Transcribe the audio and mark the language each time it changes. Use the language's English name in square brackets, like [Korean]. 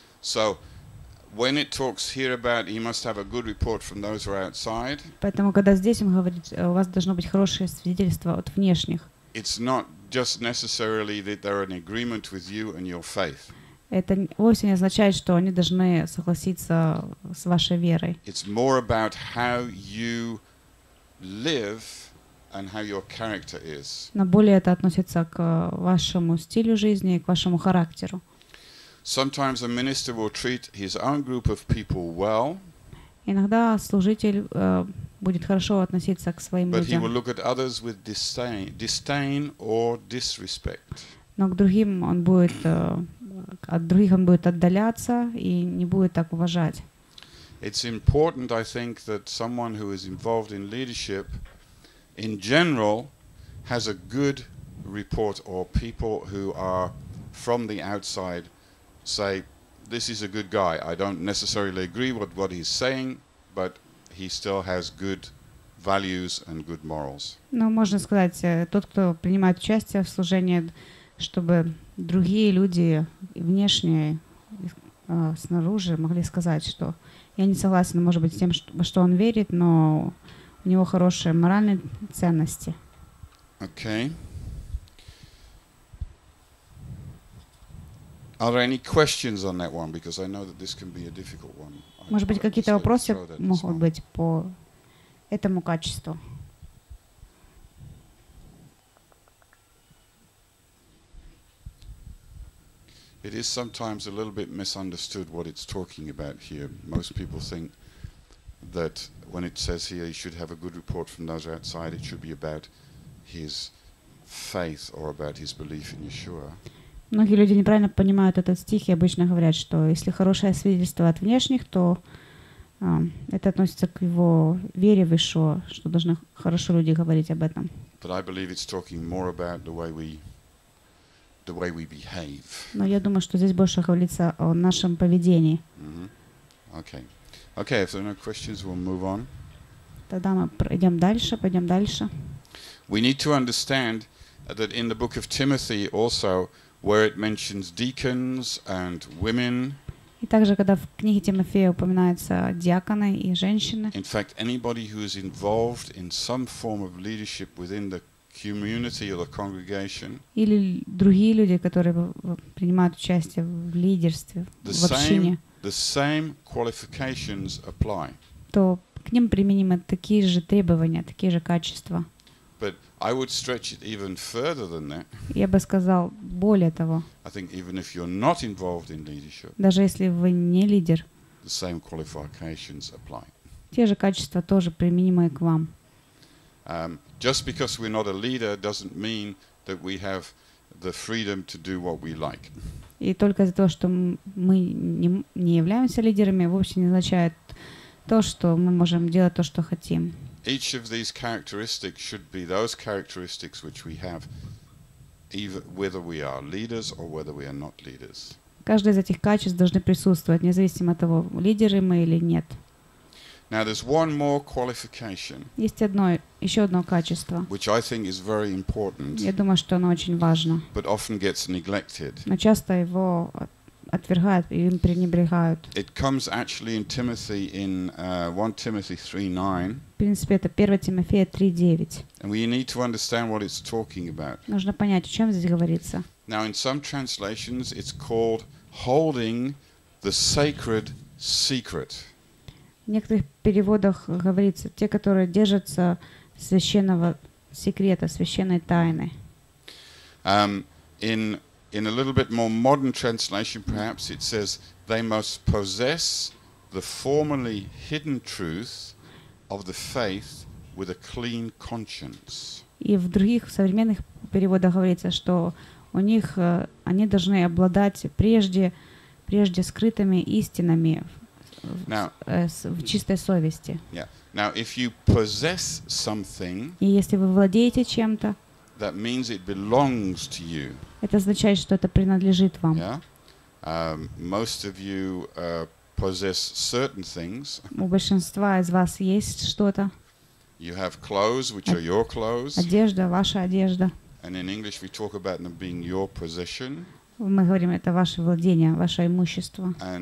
[English] So, when it talks here about he must have a good report from those who are outside, [Russian] поэтому когда здесь он говорит, у вас должно быть хорошее свидетельство от внешних, [English] it's not just necessarily that they're in agreement with you and your faith. [Russian] Это вовсе не означает, что они должны согласиться с вашей верой. [English] It's more about how you live and how your character is. [Russian] Но более это относится к вашему стилю жизни и к вашему характеру. [English] Sometimes a minister will treat his own group of people well. [Russian] Иногда служитель будет хорошо относиться к своим [English] but [Russian] людям. [English] But he will look at others with disdain or disrespect. [Russian] Но к другим он будет от других он будет отдаляться и не будет так уважать. [English] It's important, I think, that someone who is involved in leadership in general has a good report, or people who are from the outside say, this is a good guy. I don't necessarily agree with what he's saying, but he still has good values and good morals. [Russian] Ну, можно сказать, тот, кто принимает участие в служении, чтобы другие люди внешние, снаружи могли сказать, что я не согласен, может быть, с тем, что он верит, но у него хорошие моральные ценности. [English] Okay. Are there any questions on that one? Because I know that this can be a difficult one. [Russian] Может быть, какие-то вопросы могут быть по этому качеству? [English] It is sometimes a little bit misunderstood what it's talking about here. Most people think that when it says here he should have a good report from those outside, it should be about his faith or about his belief in Yeshua. [Russian] Многие люди неправильно понимают этот стих и обычно говорят, что если хорошее свидетельство от внешних, то это относится к его вере в Ишуа, что должны хорошо люди говорить об этом. [English] But I believe it's talking more about the way we behave. [Russian] Но я думаю, что здесь больше говорится о нашем поведении. [English] Okay. Okay, if there are no questions, we'll move on. [Russian] Тогда мы пойдем дальше. [English] We need to understand that in the book of Timothy also, where it mentions deacons and women. [Russian] И также, когда в книге Тимофея упоминаются диаконы и женщины. [English] In fact, anybody who is involved in some form of leadership within the community or the congregation. [Russian] Или другие люди, которые принимают участие в лидерстве в общине. [English] The same qualifications apply. [Russian] То к ним применимы такие же требования, такие же качества. [English] But I would stretch it even further than that. [Russian] Я бы сказал более того. [English] I think even if you're not involved in leadership. [Russian] Даже если вы не лидер. [English] The same qualifications apply. [Russian] Те же качества тоже применимы к вам. [English] Just because we're not a leader doesn't mean that we have the freedom to do what we like. [Russian] И только из-за того, что мы не являемся лидерами, вовсе не означает то, что мы можем делать то, что хотим. [English] Each of these characteristics should be those characteristics which we have, even whether we are leaders or whether we are not leaders. [Russian] Каждое из этих качеств должны присутствовать, независимо от того, лидеры мы или нет. [English] Now there's one more qualification. [Russian] Есть одно, еще одно качество. [English] Which I think is very important. [Russian] Я думаю, что оно очень важно. [English] But often gets neglected. [Russian] Но часто его отвергают и им пренебрегают. [English] It comes actually in Timothy in 1 Timothy 3:9. [Russian] В принципе, это 1 Тимофея 3:9. [English] And we need to understand what it's talking about. [Russian] Нужно понять, о чем здесь говорится. [English] Now in some translations it's called holding the sacred secret. [Russian] В некоторых переводах говорится, те, которые держатся священного секрета, священной тайны. [English] In a little bit more modern translation, perhaps it says they must possess the formerly hidden truth of the faith with a clean conscience. [Russian] И в других современных переводах говорится, что у них они должны обладать прежде скрытыми истинами в чистой совести. [English] Yeah. Now, if you possess something, [Russian] и если вы владеете чем-то, [English] that means it belongs to you. [Russian] Это означает, что это принадлежит вам. [English] Yeah. Most of you possess certain things. [Russian] У большинства из вас есть что-то. [English] You have clothes, which are your clothes. [Russian] Одежда, ваша одежда. [English] And in English, we talk about them being your possession. [Russian] Мы говорим, это ваше владение, ваше имущество.